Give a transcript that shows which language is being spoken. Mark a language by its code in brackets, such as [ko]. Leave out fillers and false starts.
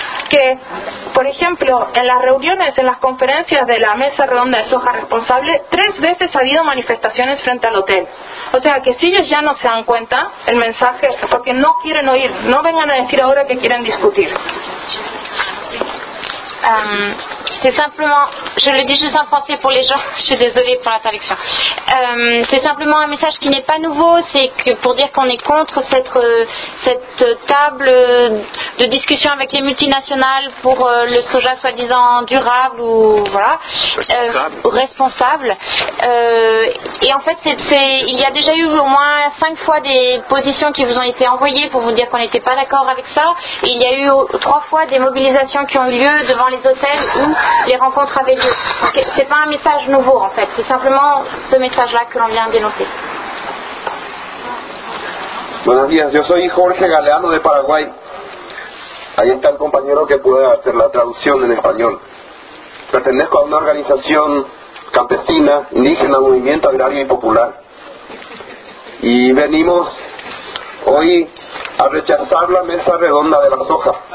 [es] Que, por ejemplo, en las reuniones, en las conferencias de la mesa redonda de soja responsable, 3 veces ha habido manifestaciones frente al hotel. O sea, que si ellos ya no se dan cuenta, el mensaje, porque no quieren oír, no vengan a decir ahora que quieren discutir. [fr] Je le dis juste en français pour les gens, je suis désolée pour la traduction. C'est simplement un message qui n'est pas nouveau, c'est que pour dire qu'on est contre cette table de discussion avec les multinationales pour le soja soi-disant durable ou voilà, responsable. Et en fait, il y a déjà eu au moins 5 fois des positions qui vous ont été envoyées pour vous dire qu'on n'était pas d'accord avec ça. Et il y a eu 3 fois des mobilisations qui ont eu lieu devant les hôtels où les rencontres avaient lieu. Donc, c'est pas un message nouveau en fait, c'est simplement ce message-là que l'on vient dénoncer. [es] Buenos días, yo soy Jorge Galeano de Paraguay. Ahí está el compañero que puede hacer la traducción en español. Pertenezco a una organización campesina, indígena, movimiento agrario y popular. Y venimos hoy a rechazar la mesa redonda de la soja.